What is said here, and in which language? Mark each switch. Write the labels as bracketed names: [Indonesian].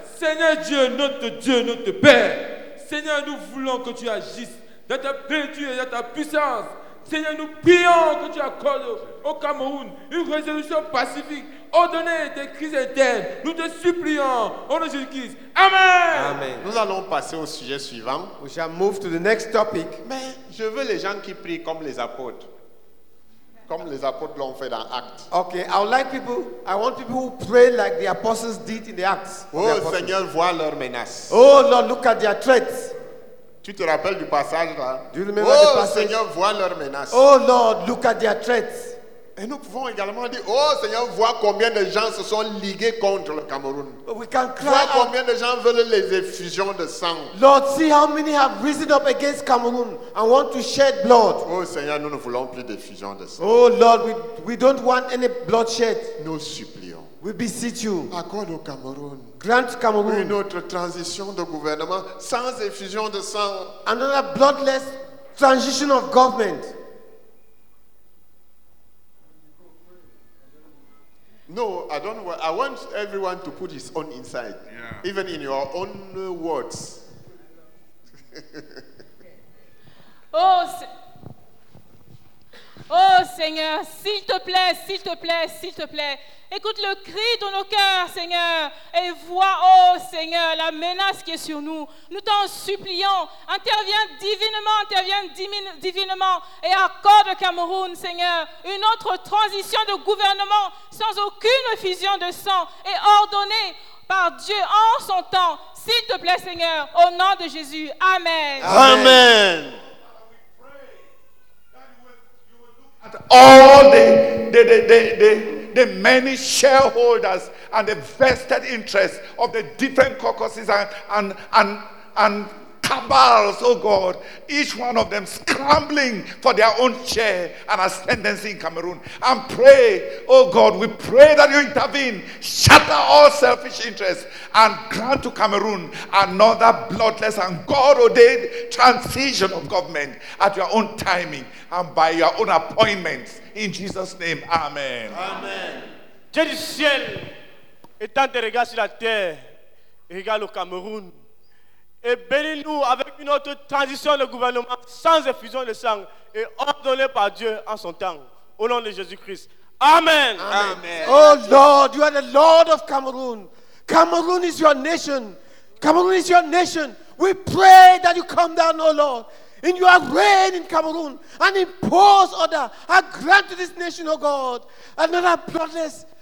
[French] Seigneur Dieu, notre Père, Seigneur, nous voulons que tu agisses dans ta vertu et dans ta puissance. Seigneur, nous prions que tu accordes au Cameroun une résolution pacifique, ordonnez des crises internes. Nous te supplions au nom de Jésus-Christ. Amen. Amen. Nous allons passer au sujet suivant. [English] We shall move to the next topic. [French] Mais je veux les gens qui prient comme les apôtres. Comme les apôtres l'ont fait dans Actes. [English] Okay, I would like people, I want people who pray like the apostles did in the Acts. [French] Oh, Seigneur, vois leurs menaces. [English] Oh, Lord, look at their threats. [French] Tu te rappelles du passage là? [English] Do you remember the passage? [French] Oh, Seigneur, vois leurs menaces. [English] Oh, Lord, look at their threats. [French] Et nous pouvons également dire, oh Seigneur, vois combien de gens se sont ligués contre le Cameroun. [English] We can cry. [French] Vois combien de gens veulent les effusions de sang. [English] Lord, see how many have risen up against Cameroon and want to shed blood. [French] Oh Seigneur, nous ne voulons plus d'effusions de sang. [English] Oh Lord, we don't want any bloodshed. [French] Nous supplions. [English] We beseech you. [French] Accorde au Cameroun. [English] Grant Cameroun. [French] Une autre transition de gouvernement sans effusions de sang. [English] Another bloodless transition of government. No, I don't want. I want everyone to put his own inside, yeah. Even in your own words. [French] Oh, Seigneur, s'il te plaît, s'il te plaît, s'il te plaît, écoute le cri de nos cœurs, Seigneur, et vois, oh Seigneur, la menace qui est sur nous. Nous t'en supplions, interviens divinement, et accorde au Cameroun, Seigneur, une autre transition de gouvernement sans aucune fusion de sang et ordonnée par Dieu en son temps. S'il te plaît, Seigneur, au nom de Jésus, amen. Amen. [English] All the many shareholders and the vested interests of the different caucuses and cabals, oh God, each one of them scrambling for their own share and ascendancy in Cameroon. And pray, oh God, we pray that you intervene, shatter all selfish interests, and grant to Cameroon another bloodless and God-ordained transition of government at your own timing and by your own appointments. In Jesus' name, amen. Amen. [French] Dieu du ciel, étant des regards sur la terre, regarde au Cameroun. Et bénis-nous avec une autre transition de gouvernement sans effusion de sang et ordonnée par Dieu en son temps. Au nom de Jésus-Christ. Amen. Amen. [English] Oh Lord, you are the Lord of Cameroon. Cameroon is your nation. Cameroon is your nation. We pray that you come down, oh Lord, in your reign in Cameroon and impose order. I grant to this nation, oh God, another bloodless.